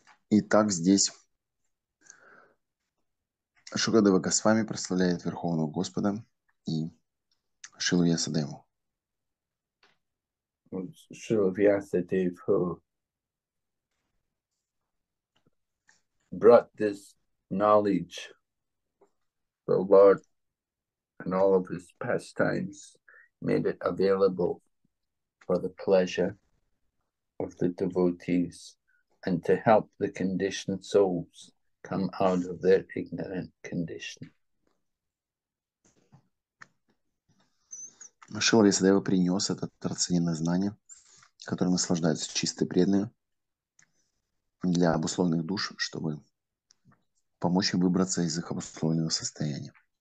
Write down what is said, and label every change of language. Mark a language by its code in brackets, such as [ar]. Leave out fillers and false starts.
[ru] Итак, здесь Шукадева Госвами прославляет Верховного Господа и Шрилу Вьясадеву. [en] Шрилу Вьясадеву, who brought this knowledge the Lord and all of his pastimes, made it available for the pleasure of the devotees. And to help the conditioned souls come out of their ignorant condition. [ru] Шрила Вьясадева принес это трансцендентное знание, которым наслаждаются чистые преданные, для обусловленных душ, чтобы помочь им выбраться из их обусловленного состояния.